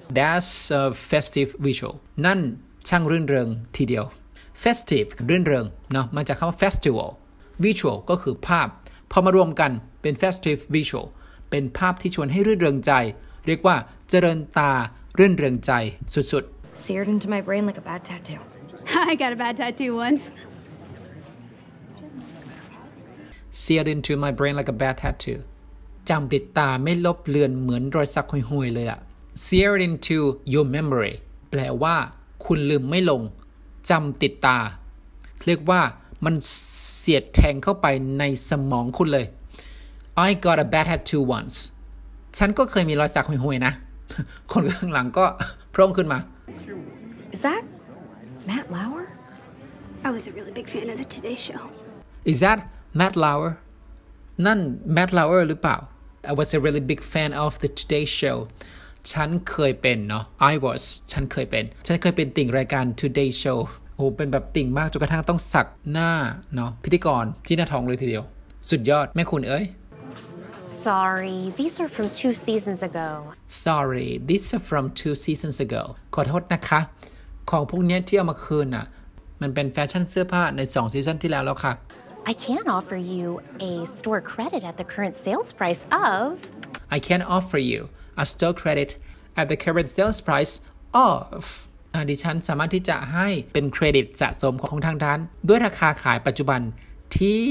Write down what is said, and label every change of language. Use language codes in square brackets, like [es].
[en] That's a festive visual [th] นั่นช่างรื่นเริงทีเดียว Festive รื่นเริงเนาะมาจากคำว่า festival Visual ก็คือภาพพอมารวมกันเป็น festive visual เป็นภาพที่ชวนให้รื่นเริงใจเรียกว่าเจริญตารื่นเริงใจสุด [en] ๆ Seared into my brain like a bad tattoo I got a bad tattoo once Seared into my brain like a bad tattoo. [th] จำติดตาไม่ลบเลือนเหมือนรอยสักห่วยๆเลยอะ [en] Seared into your memory. [th] แปลว่าคุณลืมไม่ลงจำติดตาเรียกว่ามันเสียดแทงเข้าไปในสมองคุณเลย [en] I got a bad tattoo once. [th] ฉันก็เคยมีรอยสักห่วยๆนะคนข้างหลังก็โพร่งขึ้นมา [en] Is that Matt Lauer? I was a really big fan of the Today Show. Is thatMatt Lauer [th] นั่น Matt Lauer หรือเปล่า [en] I was a really big fan of the Today Show [th] ฉันเคยเป็นเนาะ [en] I was [th] ฉันเคยเป็นฉันเคยเป็นติ่งรายการ Today Show โอ้เป็นแบบติ่งมากจนกระทั่งต้องสักหน้าเนาะพิธีกรที่หน้าทองเลยทีเดียวสุดยอดแม่คุณเอ้ย [en] Sorry these are from 2 seasons ago Sorry these are from 2 seasons ago [th] ขอโทษนะคะของพวกนี้ที่เอามาคืนน่ะมันเป็นแฟชั่นเสื้อผ้าใน2ซีซั่นที่แล้วแล้วค่ะ [en] I can offer you a store credit at the current sales price of I can offer you a store credit at the current sales price of [th] ดิฉันสามารถที่จะให้เป็นเครดิตสะสมของทางร้านด้วยราคาขายปัจจุบันที